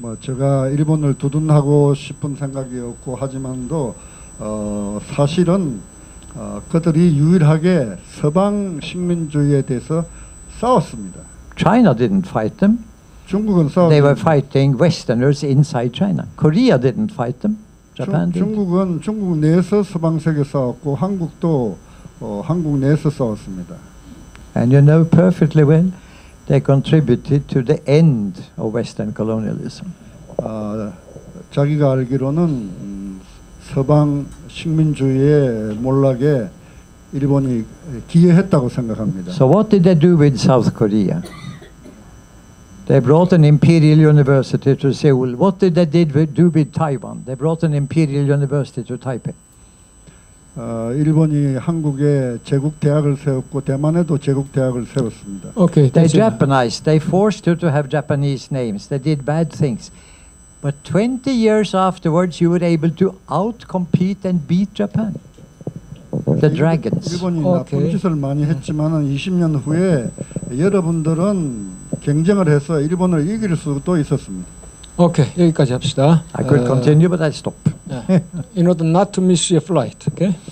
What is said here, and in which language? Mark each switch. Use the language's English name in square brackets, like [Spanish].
[Korean] 뭐 제가 일본을 두둔하고 싶은 생각이 없고 하지만도 사실은 그들이 유일하게 서방 식민주의에 대해서 싸웠습니다. [English] China didn't fight them. [Korean] 중국은 싸웠. [English] They were fighting Westerners inside China. Korea didn't fight them. Japan did. [Korean] 중국은 중국 내에서 서방 세계 싸웠고 한국도 한국 내에서 싸웠습니다. [English] And you know perfectly well, they contributed to the end of Western colonialism. [Korean] 자기가 알기로는 서방 식민주의의 몰락에 일본이 기여했다고 생각합니다. [English] So what did they do with South Korea? They brought an imperial university to Seoul. What did they do with Taiwan? They brought an imperial university to Taipei. [Korean] 일본이 한국에 제국 대학을 세웠고 대만에도 제국 대학을 세웠습니다. [English] Okay, they Japanized. They forced you to have Japanese names. They did bad things. But 20 years afterwards, you were able to outcompete and beat Japan. The dragons. [Korean] 일본이 나쁜 짓을 많이 했지만은 20년 후에 여러분들은 경쟁을 해서 일본을 이길 수도 있었습니다. Okay, 여기까지 합시다. [English] I could continue, but I stop. Yeah. In order not to miss your flight, okay?